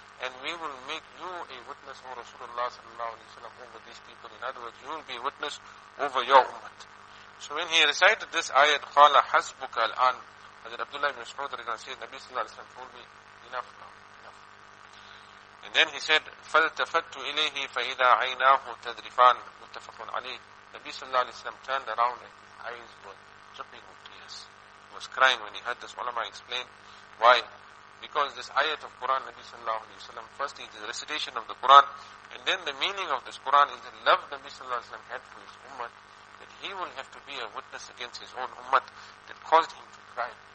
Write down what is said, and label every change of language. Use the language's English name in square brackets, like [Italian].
[English] And we will make you a witness, O Rasulullah sallallahu alayhi wa sallam, over these people. In other words, you will be a witness over your ummah. So when he recited this ayat, [Arabic] قَالَ حَزْبُكَ الْآنِ. [English] Hazrat Abdullah ibn Mas'ud radiallahu anhu said, Nabi sallallahu alayhi wa sallam told me, enough now, enough. And then he said, [Arabic] فَالْتَفَتُ إِلَيْهِ فَإِذَا عَيْنَاهُ تَذْرِفَانِ مُتَّفَقٌ عَلَيْهِ. [English] Nabi sallallahu alayhi wa sallam turned around and eyes were dripping with tears. He was crying when he heard this. Ulama explained why. Because this ayat of Quran, Nabi sallallahu alayhi wa sallam, firstly the recitation of the Quran, and then the meaning of this Quran is the love Nabi sallallahu alayhi wa sallam had for his ummah, that he will have to be a witness against his own ummah, that caused him to cry.